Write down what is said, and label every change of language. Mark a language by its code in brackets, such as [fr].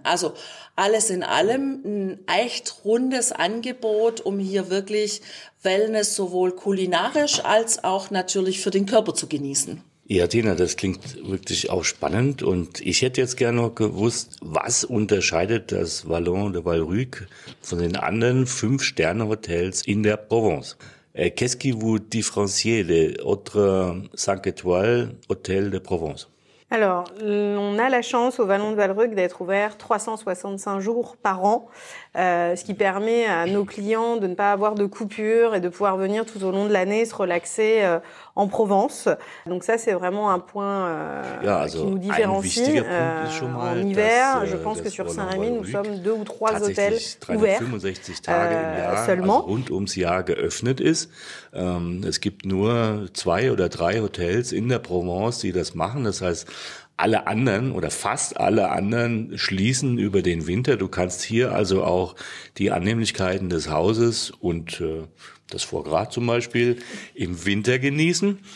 [de] Also alles in allem ein echt rundes Angebot, um hier wirklich Wellness sowohl kulinarisch als auch natürlich für den Körper zu genießen. Ja, Tina, das klingt wirklich auch spannend und ich hätte jetzt gerne noch gewusst, was unterscheidet das Vallon de Valrhuc von den anderen 5-Sterne-Hotels in der Provence? [fr] Qu'est-ce qui vous différencie des autres 5 étoiles hôtels de Provence? Alors, on a la chance au Vallon de Valrhuc d'être ouvert 365 jours par an, ce qui permet à nos clients de ne pas avoir de coupure et de pouvoir venir tout au long de l'année se relaxer en Provence. Donc ça, c'est vraiment un point qui nous différencie. En hiver, je pense que sur Saint-Rémy, nous sommes 2 ou 3 hôtels ouverts seulement. [de] Rund ums Jahr geöffnet ist. Es gibt nur 2 oder 3 Hotels in der Provence, die das machen. Das heißt, alle anderen oder fast alle anderen schließen über den Winter. Du kannst hier also auch die Annehmlichkeiten des Hauses und das Foie Gras zum Beispiel im Winter genießen.